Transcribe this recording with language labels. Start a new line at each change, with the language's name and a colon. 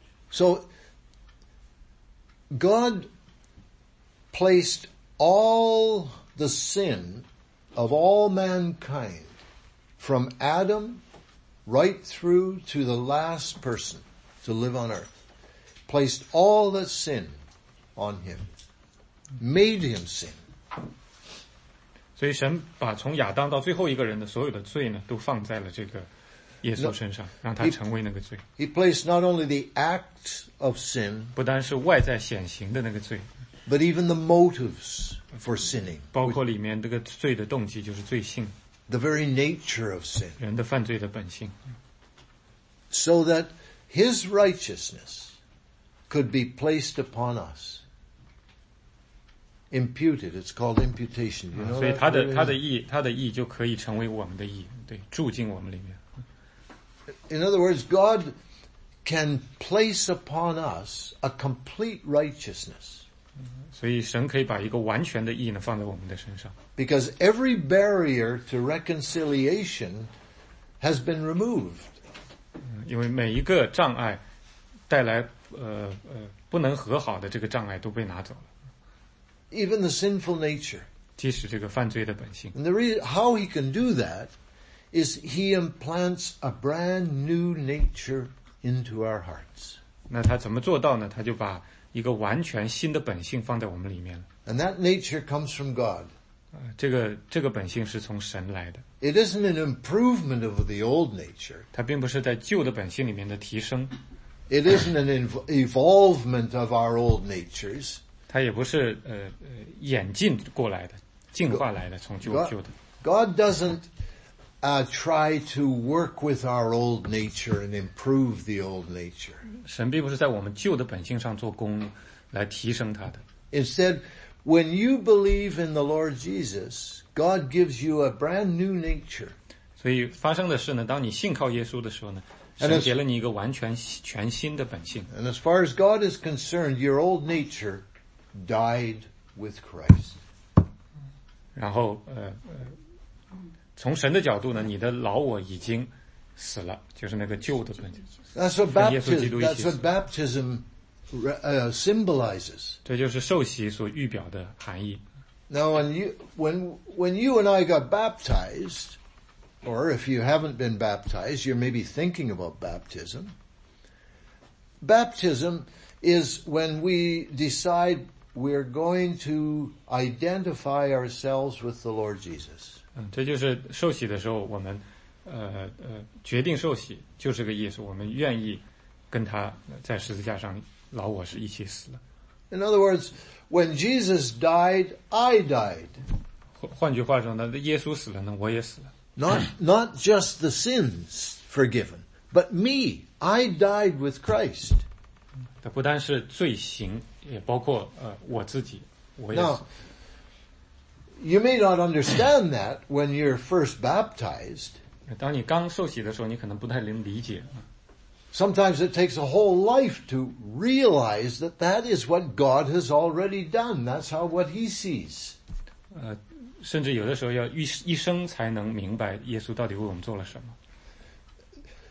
English: So, God placed all the sin of all mankind from Adam right through to the last person to live on earth. Placed all the sin on him. Made him sin.
Chinese: 所以神把从亚当到最后一个人的所有的罪呢，都放在了这个耶稣身上，让他成为那个罪。
English: He placed not only the act of sin,
Chinese: 不单是外在显形的那个罪。
English: but even the motives for sinning.
Chinese: 包括里面这个罪的动机就是罪性。
English: The very nature of sin.
Chinese: 人的犯罪的本性。
English: So that his righteousness could be placed upon us. Imputed, it's called imputation. You know
Chinese: 所以他的义就可以成为我们的义，对，住进我们里面。
English: In other words, God can place upon us a complete righteousness.
Chinese: 所以神可以把一个完全的义呢放在我们的身上。
English: Because every barrier to reconciliation has been removed.
Chinese: 因为每一个障碍带来不能和好的这个障碍都被拿走了。
English: Even the sinful nature.
Chinese: 即使这个犯罪的本性。
English: And the reason how he can do that is he implants a brand new nature into our hearts.
Chinese: 那他怎么做到呢？他就把一个完全新的本性放在我们里面了。
English: And that nature comes from God.
Chinese: 这个本性是从神来的。
English: It isn't an improvement of the old nature.
Chinese: 它并不是在旧的本性里面的提升。
English: It isn't an evolvement of our old natures.
Chinese: 它也不是演进过来的，进化来的，从旧的。
English: God doesn't try to work with our old nature and improve the old nature.
Chinese: 神并不是在我们旧的本性上做工来提升它的。
English: Instead, when you believe in the Lord Jesus, God gives you a brand new nature.
Chinese: 所以发生的是呢，当你信靠耶稣的时候呢，神给了你一个完全全新的本性。
English: And as far as God is concerned, your old nature died with Christ.
Chinese: 然后从神的角度呢，你的老我已经死了，就是那个旧的本性。
English: That's what baptism symbolizes.
Chinese: 这就是受洗所预表的含义。
English: Now when you and I got baptized, or if you haven't been baptized, you're maybe thinking about baptism. Baptism is when we decide we're going to identify ourselves with the Lord Jesus.
Chinese: 这就是受洗的时候我们决定受洗就是个意思，我们愿意跟他在十字架上老我是一起死了。
English: In other words, when Jesus died, I died.
Chinese: 换句话说呢，耶稣死了呢我也死了。
English: Not just the sins forgiven, but me, I died with Christ.
Chinese: 它不单是罪行，也包括我自己，我也死了。
English: You may not understand that when you're first baptized.
Chinese: 当你刚受洗的时候，你可能不太能理解。
English: Sometimes it takes a whole life to realize that that is what God has already done. That's how what He sees.
Chinese: 甚至有的时候要一生才能明白耶稣到底为我们做了什么。